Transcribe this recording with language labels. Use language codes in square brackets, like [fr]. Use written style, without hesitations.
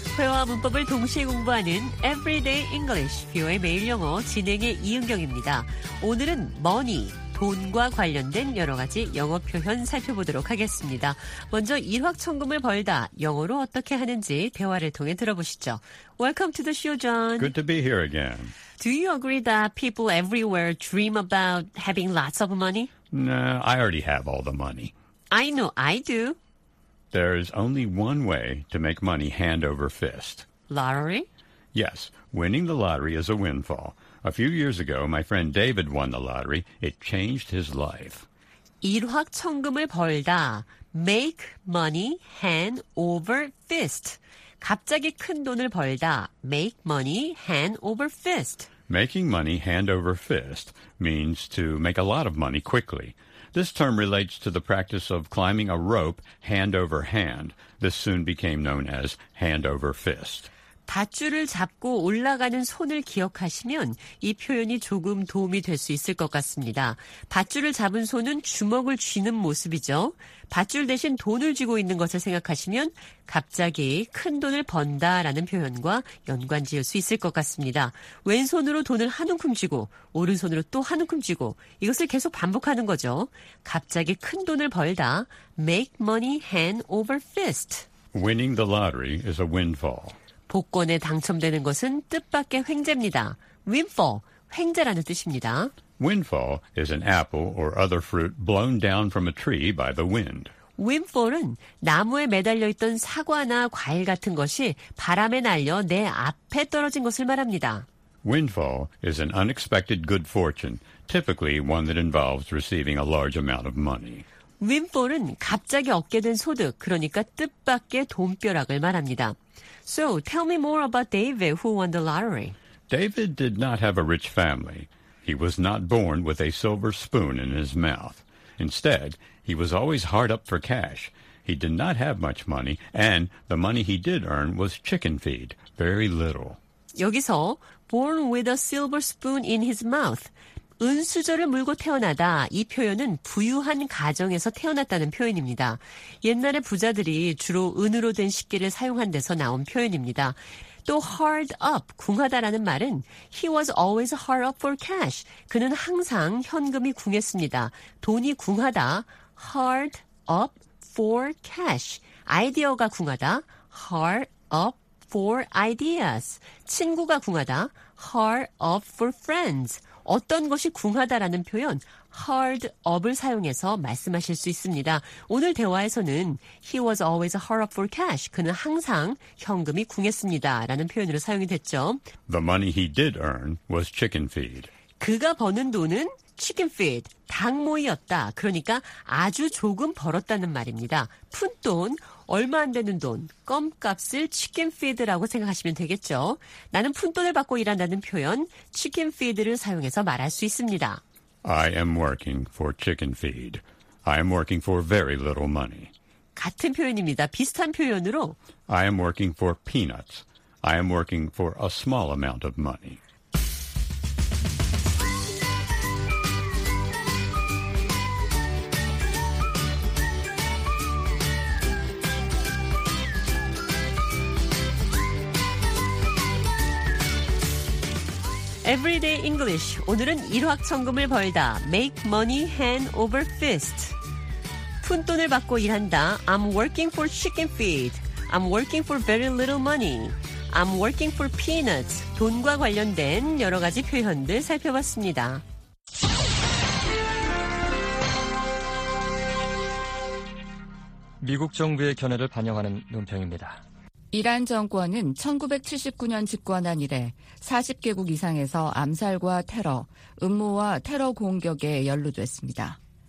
[ko] 회화 문법을 동시에 공부하는 Everyday English, 뷰의 매일 영어 진행의 이은경입니다. 오늘은 money, 돈과 관련된 여러 가지 영어 표현 살펴보도록 하겠습니다. 먼저 일확천금을 벌다, 영어로 어떻게 하는지 대화를 통해 들어보시죠. [en] Welcome to the show, John. Good to be here again. Do you agree that people everywhere dream about having lots of money? No, I already have all the money. I know, I do. There is only one way to make money hand over fist. Lottery? Yes, winning the lottery is a windfall. A few years ago, my friend David won the lottery. It changed his life. [ko] 일확천금을 벌다. [en] Make money hand over fist. [ko] 갑자기 큰 돈을 벌다. [en] Make money hand over fist. Making money hand over fist means to make a lot of money quickly. This term relates to the practice of climbing a rope hand over hand. This soon became known as hand over fist. [ko] 밧줄을 잡고 올라가는 손을 기억하시면 이 표현이 조금 도움이 될 수 있을 것 같습니다. 밧줄을 잡은 손은 주먹을 쥐는 모습이죠. 밧줄 대신 돈을 쥐고 있는 것을 생각하시면 갑자기 큰 돈을 번다라는 표현과 연관 지을 수 있을 것 같습니다. 왼손으로 돈을 한 움큼 쥐고 오른손으로 또 한 움큼 쥐고 이것을 계속 반복하는 거죠. 갑자기 큰 돈을 벌다. [en] Make money hand over fist. Winning the lottery is a windfall. [ko] 복권에 당첨되는 것은 뜻밖의 횡재입니다. Windfall, 횡재라는 뜻입니다. [en] Windfall is an apple or other fruit blown down from a tree by the wind. [ko] Windfall은 나무에 매달려 있던 사과나 과일 같은 것이 바람에 날려 내 앞에 떨어진 것을 말합니다. [en] Windfall is an unexpected good fortune, typically one that involves receiving a large amount of money. [ko] Windfall은 갑자기 얻게 된 소득, 그러니까 뜻밖의 돈벼락을 말합니다. [en] So, tell me more about David who won the lottery. David did not have a rich family. He was not born with a silver spoon in his mouth. Instead, he was always hard up for cash. He did not have much money, and the money he did earn was chicken feed, very little. [ko] 여기서 [en] born with a silver spoon in his mouth, [ko] 은수저를 물고 태어나다, 이 표현은 부유한 가정에서 태어났다는 표현입니다. 옛날에 부자들이 주로 은으로 된 식기를 사용한 데서 나온 표현입니다. 또 [en] hard up, [ko] 궁하다라는 말은 [en] he was always hard up for cash. [ko] 그는 항상 현금이 궁했습니다. 돈이 궁하다, [en] hard up for cash. [ko] 아이디어가 궁하다, [en] hard up for ideas. [ko] 친구가 궁하다, [en] hard up for friends. [ko] 어떤 것이 궁하다라는 표현, hard up을 사용해서 말씀하실 수 있습니다. 오늘 대화에서는 [en] he was always hard up for cash. [ko] 그는 항상 현금이 궁했습니다. 라는 표현으로 사용이 됐죠. [en] The money he did earn was chicken feed. [ko] 그가 버는 돈은 chicken feed, 닭모이였다. 그러니까 아주 조금 벌었다는 말입니다. 푼돈, 얼마 안 되는 돈, 껌값을 chicken feed라고 생각하시면 되겠죠. 나는 푼돈을 받고 일한다는 표현, chicken feed를 사용해서 말할 수 있습니다. [en] I am working for chicken feed. I am working for very little money. [ko] 같은 표현입니다. 비슷한 표현으로 [en] I am working for peanuts. I am working for a small amount of money. 에브리데이 잉글리쉬, [ko] 오늘은 일확천금을 벌다, [en] make money hand over fist. [ko] 푼돈을 받고 일한다, [en] I'm working for chicken feed. I'm working for very little money. I'm working for peanuts. [ko] 돈과 관련된 여러 가지 표현들 살펴봤습니다. 미국 정부의 견해를 반영하는 논평입니다. 이란 정권은 1979년 집권한 이래 40개국 이상에서 암살과 테러, 음모와 테러 공격에 연루됐습니다.